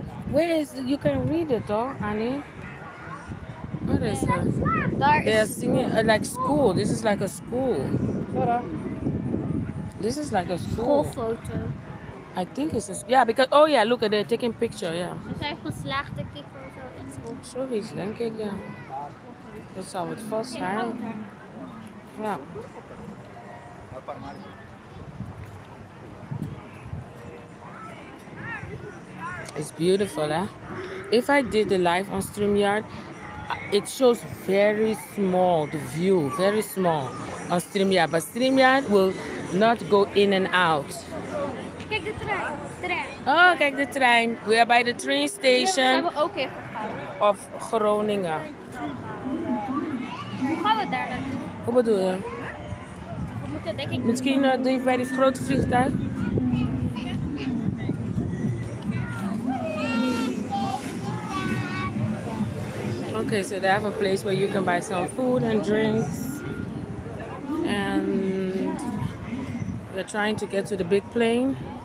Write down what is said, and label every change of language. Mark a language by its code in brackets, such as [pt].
[en] Where is you can read it, though, Annie? What is it? They are singing like school. This is like a school. This is like a school. School photo. I think it's a yeah because oh yeah look at they're taking picture yeah. [nl] Zijn geslaagde kikker zo iets. Zoiets denk ik ja. Dat zal het vast zijn. Ja. [en] It's beautiful, eh? If I did the live on StreamYard, it shows very small, the view, very small on StreamYard. But StreamYard will not go in and out. [nl] Kijk de trein. Oh, kijk de trein. [en] We are by the train station of Groningen. [nl] Hoe gaan we daar naartoe? Hoe bedoel je? Misschien doe je bij dit grote vliegtuig. [en] Okay, so they have a place where you can buy some food and drinks. And they're trying to get to the big plane.